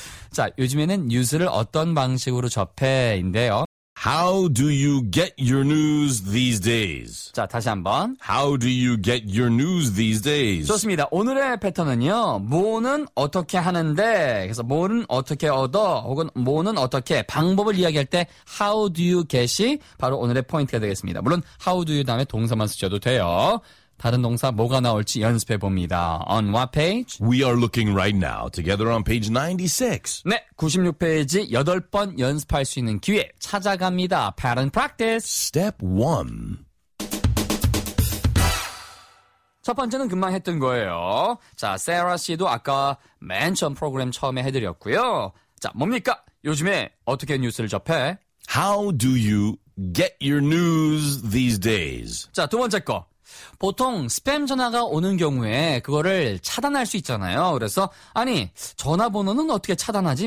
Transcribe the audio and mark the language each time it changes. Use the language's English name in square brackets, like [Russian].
[Korean] 자, 요즘에는 뉴스를 어떤 방식으로 접해인데요. [English] How do you get your news these days? [Korean] 자, 다시 한번. [English] How do you get your news these days? [Korean] 좋습니다. 오늘의 패턴은요. 뭐는 어떻게 하는데, 그래서 뭐는 어떻게 얻어, 혹은 뭐는 어떻게, 방법을 이야기할 때 [English] How do you get [Korean] 이 바로 오늘의 포인트가 되겠습니다. 물론 [English] How do you [Korean] 다음에 동사만 쓰셔도 돼요. 다른 동사 뭐가 나올지 연습해 봅니다. [English] On what page? We are looking right now. Together on page 96. [Korean] 네, 96페이지 8번 연습할 수 있는 기회 찾아갑니다. [English] Pattern practice. Step 1. [Korean] 첫 번째는 금방 했던 거예요. 자, 세라 씨도 아까 맨 처음 프로그램 처음에 해드렸고요. 자, 뭡니까? 요즘에 어떻게 뉴스를 접해? [English] How do you get your news these days? [Korean] 자, 두 번째 거. 보통 스팸 전화가 오는 경우에 그거를 차단할 수 있잖아요. 그래서 아니 전화번호는 어떻게 차단하지?